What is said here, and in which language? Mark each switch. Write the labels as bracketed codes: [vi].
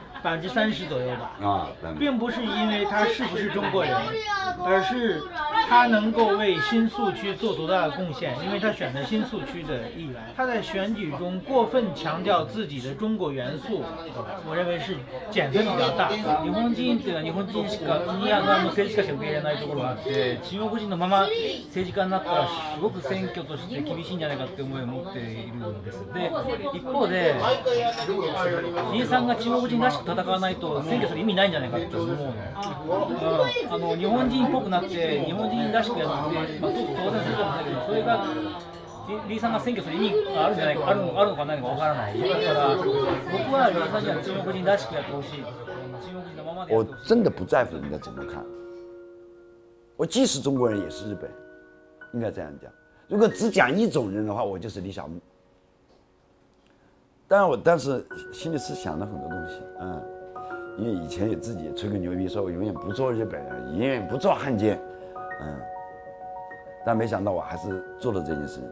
[zh] 30%左右吧，并不是因为他是不是中国人，而是他能够为新宿区做多大的贡献，因为他选了新宿区的议员，他在选举中过分强调自己的中国元素，我认为是减分比较大。 [ja] 日本人というのは日本人しか国や側の政治家しか受け入れないところがあって、中国人のまま政治家になったらすごく選挙として厳しいんじゃないかって思いを持っているんです。で、一方で、李さんが中国人らしく戦わないと選挙する意味ないんじゃないかって思うの。日本人っぽくなって日本人らしくやって、まあ、ちょっと当選するかもしれないけど、それが李さんが選挙する意味があるんじゃないか、あるのかないのかわからない。だから僕は李さんには中国人らしくやってほしい。 [zh] 我真的不在乎人家怎么看，我既是中国人也是日本人，应该这样讲。如果只讲一种人的话，我就是李小牧。但我当时心里是想了很多东西，嗯，因为以前也自己吹个牛逼，说我永远不做日本人，永远不做汉奸，嗯，但没想到我还是做了这件事情。